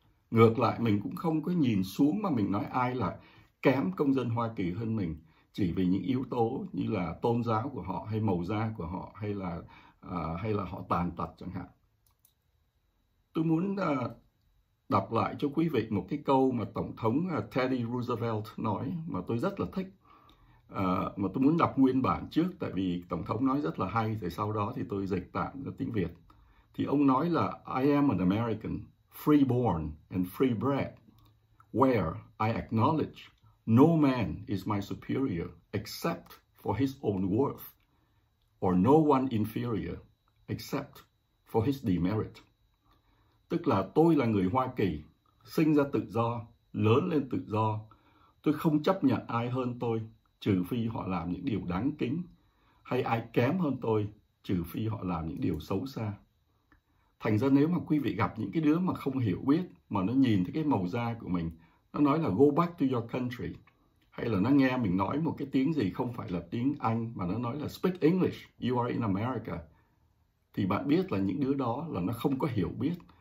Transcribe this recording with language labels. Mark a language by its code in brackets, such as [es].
[vi] Ngược lại, mình cũng không có nhìn xuống mà mình nói ai là kém công dân Hoa Kỳ hơn mình chỉ vì những yếu tố như là tôn giáo của họ hay màu da của họ hay là họ tàn tật chẳng hạn. Tôi muốn đọc lại cho quý vị một cái câu mà Tổng thống Teddy Roosevelt nói mà tôi rất là thích. Mà tôi muốn đọc nguyên bản trước, tại vì Tổng thống nói rất là hay, rồi sau đó thì tôi dịch tạm ra tiếng Việt. Thì ông nói là [en] I am an American, free born and free bred, where I acknowledge no man is my superior except for his own worth, or no one inferior except for his demerit. [vi] Tức là tôi là người Hoa Kỳ, sinh ra tự do, lớn lên tự do. Tôi không chấp nhận ai hơn tôi, trừ phi họ làm những điều đáng kính, hay ai kém hơn tôi, trừ phi họ làm những điều xấu xa. Thành ra nếu mà quý vị gặp những cái đứa mà không hiểu biết, mà nó nhìn thấy cái màu da của mình, nó nói là [en] go back to your country, [vi] hay là nó nghe mình nói một cái tiếng gì không phải là tiếng Anh, mà nó nói là [en] speak English, you are in America, [vi] thì bạn biết là những đứa đó là nó không có hiểu biết.